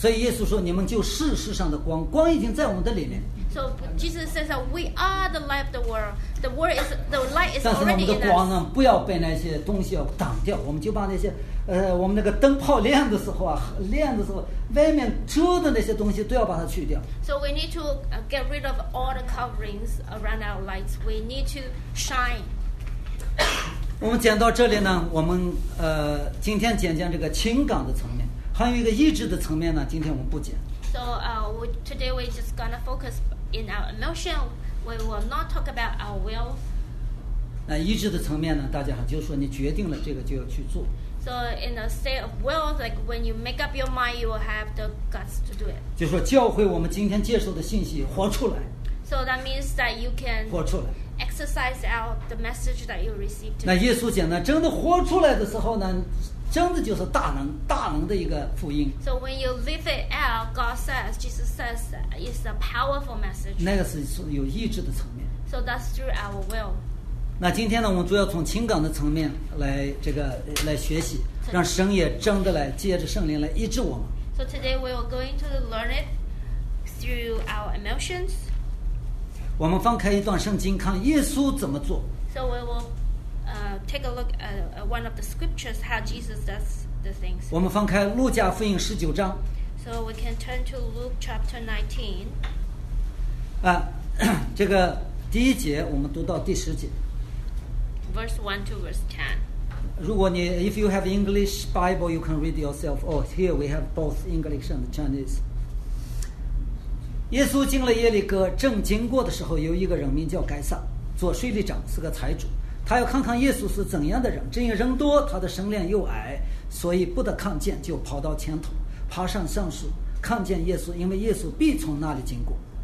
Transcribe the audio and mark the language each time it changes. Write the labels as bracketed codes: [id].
[zh] 所以耶稣说，你们就是世上的光，光已经在我们的里面。 [en] So Jesus says that we are the light of the world. The world is the light is already in us. [zh] 但是我们的光呢，不要被那些东西要挡掉，我们就把那些，我们那个灯泡亮的时候啊，亮的时候，外面遮的那些东西都要把它去掉。 [en] So we need to get rid of all the coverings around our lights. We need to shine. [zh] 我们讲到这里呢，我们今天讲讲这个情感的层面，还有一个意志的层面呢，今天我们不讲。 [en] So today we're just gonna focus in our emotion. We will not talk about our will. [zh] 那意志的层面呢，大家好，就是说你决定了这个就要去做。 [en] So in a state of will, like when you make up your mind, you will have the guts to do it. [zh] 就说教会我们今天接受的信息活出来。 [en] So that means that you can [zh] 活出来。 [en] Exercise out the message that you received. [zh] 那耶稣讲呢，真的活出来的时候呢，真的就是大能，大能的一个福音。 [en] So when you live it out, God says, Jesus says, it's a powerful message. [zh] 那个是有意志的层面。 [en] So that's through our will. [zh] 那今天呢，我们主要从情感的层面来这个来学习，让神也真的来借着圣灵来医治我们。 [en] So today we are going to learn it through our emotions. [zh] 我们翻开一段圣经，看耶稣怎么做。 [en] So we will take a look at one of the scriptures how Jesus does the things. [zh] 我们翻开路加福音十九章。 [en] So we can turn to Luke chapter 19. [zh] 啊，这个第一节我们读到第十节。 [en] Verse 1 to verse 10. [zh] 如果你 [en] if you have English Bible, you can read yourself. Oh, here we have both English and Chinese. [zh] 耶稣进了耶利哥，正经过的时候，有一个人名叫该撒，做税吏长，是个财主。他要看看耶稣是怎样的人。正因人多，他的身量又矮，所以不得看见，就跑到前头，爬上橡树，看见耶稣，因为耶稣必从那里经过。